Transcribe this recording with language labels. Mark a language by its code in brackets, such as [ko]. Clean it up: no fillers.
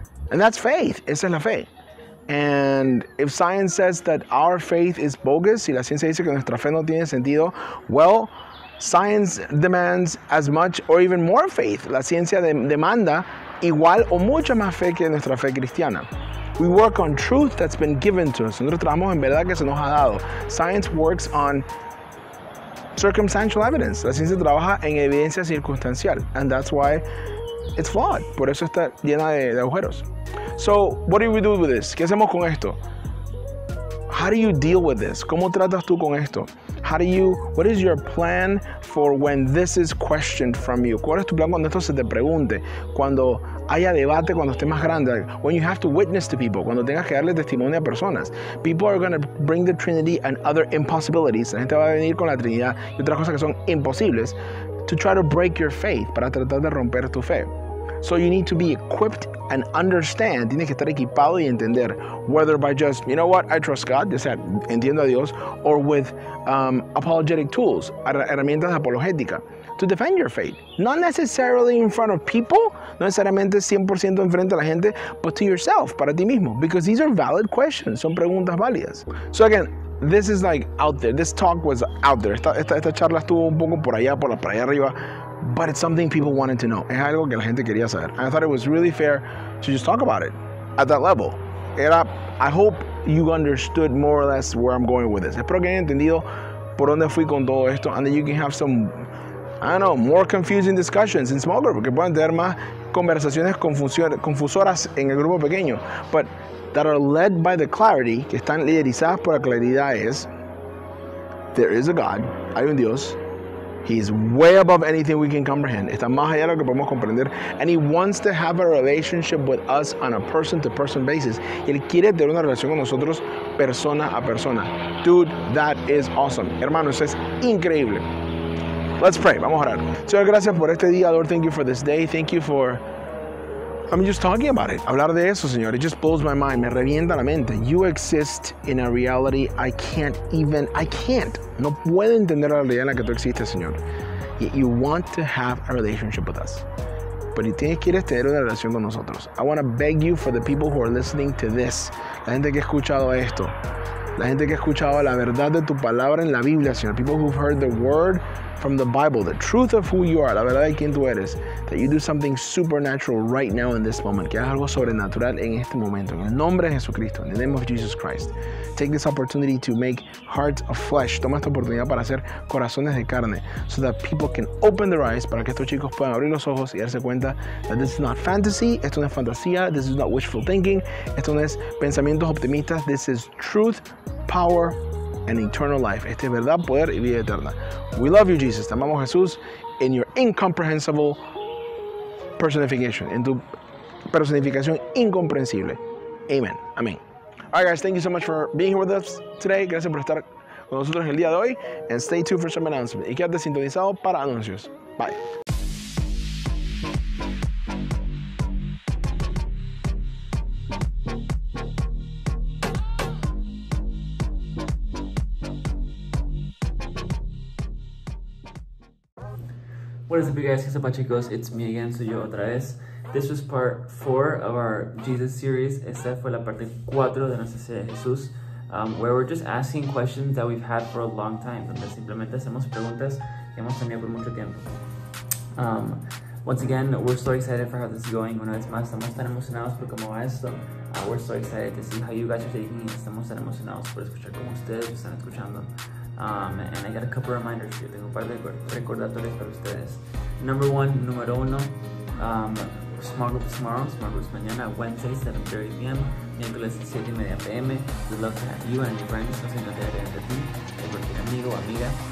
[en] And that's faith. [es] Esa es la fe. [en] And if science says that our faith is bogus, [es] si la ciencia dice que nuestra fe no tiene sentido, [en] well, science demands as much or even more faith. [es] La ciencia demanda igual o mucha más fe que nuestra fe cristiana. [en] We work on truth that's been given to us. [es] Nosotros trabajamos en verdad que se nos ha dado. [en] Science works on circumstantial evidence. [es] La ciencia trabaja en evidencia circunstancial. [en] And that's why it's flawed. [es] Por eso está llena de agujeros. [en] So, what do we do with this? [es] ¿Qué hacemos con esto? [en] How do you deal with this? [es] ¿Cómo tratas tú con esto? [en] What is your plan for when this is questioned from you? [es] ¿Cuál es tu plan cuando esto se te pregunte? Cuando haya debate, cuando esté más grande. [en] When you have to witness to people. [es] Cuando tengas que darle testimonio a personas. [en] People are going to bring the Trinity and other impossibilities. [es] La gente va a venir con la Trinidad y otras cosas que son imposibles. [en] To try to break your faith. [es] Para tratar de romper tu fe. [en] So you need to be equipped and understand. [es] Tienes que estar equipado y entender. [en] Whether by just, you know what, I trust God. [es] O sea, entiendo a Dios. [en] Or with apologetic tools. [es] Herramientas apologéticas. [en] To defend your faith. Not necessarily in front of people. [es] No necesariamente 100% en frente a la gente. [en] But to yourself. [es] Para ti mismo. [en] Because these are valid questions. [es] Son preguntas válidas. [en] So again, this is like out there. This talk was out there. [es] Esta charla estuvo un poco por allá, por allá arriba. [en] But it's something people wanted to know. [es] Es algo que la gente quería saber. [en] And I thought it was really fair to just talk about it at that level. I hope you understood more or less where I'm going with this. [es] Espero que hayan entendido por dónde fui con todo esto. [en] And then you can have some, I don't know, more confusing discussions in small group. [es] Que puedan tener más conversaciones confusoras en el grupo pequeño. [en] But that are led by the clarity, [es] que están liderizadas por la claridad es, [en] there is a God, [es] hay un Dios. [en] He's way above anything we can comprehend. [es] Está más allá de lo que podemos comprender. [en] And he wants to have a relationship with us on a person-to-person basis. [es] Y él quiere tener una relación con nosotros persona a persona. [en] Dude, that is awesome. [es] Hermano, eso es increíble. [en] Let's pray. [es] Vamos a orar. Señor, gracias por este día. [en] Lord, thank you for this day. Thank you for, I'm just talking about it. [es] Hablar de eso, Señor. [en] It just blows my mind. [es] Me revienta la mente. [en] You exist in a reality I can't. [es] No puedo entender la realidad en la que tú existes, Señor. [en] Yet you want to have a relationship with us. [es] Pero tienes que tener una relación con nosotros. [en] I want to beg you for the people who are listening to this. [es] La gente que ha escuchado esto. La gente que ha escuchado la verdad de tu palabra en la Biblia, Señor. [en] People who've heard the word from the Bible, the truth of who you are, [es] la verdad de quién tú eres. [en] That you do something supernatural right now in this moment. [es] Que hagas algo sobrenatural en este momento. En el nombre de Jesucristo. [en] In the name of Jesus Christ. Take this opportunity to make hearts of flesh. [es] Toma esta oportunidad para hacer corazones de carne. [en] So that people can open their eyes. [es] Para que estos chicos puedan abrir los ojos y darse cuenta [en] that this is not fantasy. [es] Esto no es fantasía. [en] This is not wishful thinking. [es] Esto no es pensamientos optimistas. [en] This is truth, power, and eternal life. [es] Este es verdad, poder y vida eterna. [en] We love you, Jesus. [es] Te amamos, Jesús, [en] in your incomprehensible personification. [es] En tu personificación incomprensible. Amen. Amen. [en] All right, guys, thank you so much for being here with us today. [es] Gracias por estar con nosotros el día de hoy. [en] And stay tuned for some announcements. [es] Y quédate sintonizado para anuncios. [en] Bye. What is up, you guys? [es] ¿Qué pasa, chicos? [en] It's me again, [es] soy yo otra vez. [en] This was part 4 of our Jesus series. [es] Esta fue la parte 4 de nuestra serie de Jesús, [en] where we're just asking questions that we've had for a long time, [es] donde simplemente hacemos preguntas que hemos tenido por mucho tiempo. [en] Once again, we're so excited for how this is going. [es] Una vez más, estamos tan emocionados por cómo va esto. [en] We're so excited to see how you guys are taking it. [es] Estamos tan emocionados por escuchar cómo ustedes están escuchando. [en] And I got a couple of reminders for you. [es] Tengo un par de recordatorios para ustedes. [en] Number one, [es] número uno, [en] small group tomorrow, [es] small group mañana, Wednesday, 7:30 p.m., miércoles, 7:30 p.m. [en] We'd love to have you and your friends, [es] no sé no te harían de ti, de cualquier amigo o amiga.